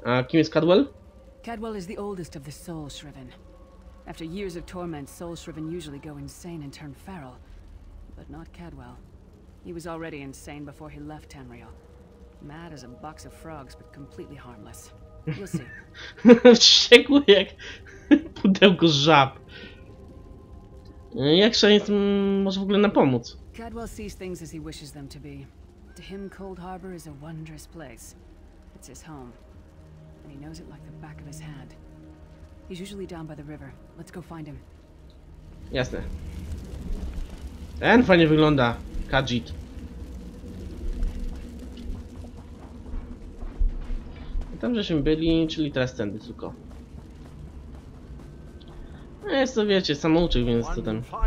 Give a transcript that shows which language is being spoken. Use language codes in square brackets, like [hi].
[pl] A kim jest Cadwell? [en] Cadwell is the oldest of the Soul Shriven. After years of torment, Soul Shriven usually go insane and turn feral. But not Cadwell. He was already insane before he left Tamriel. Mad as a box of frogs, but completely harmless. We'll see. [pl] Wściekły jak pudełko żab. Jak szaniec może w ogóle napomóc? [en] Cadwell sees things as he wishes them to be. To him, Cold Harbor is a wondrous place. It's his home. And he knows it like the back of his hand. He's usually down by the river. Let's go find him. [pl] Jasne. Ten fajnie wygląda, Khajiit. Tam żeśmy byli, czyli teraz tędy tylko. No jest to, wiecie, samouczek, więc to ten.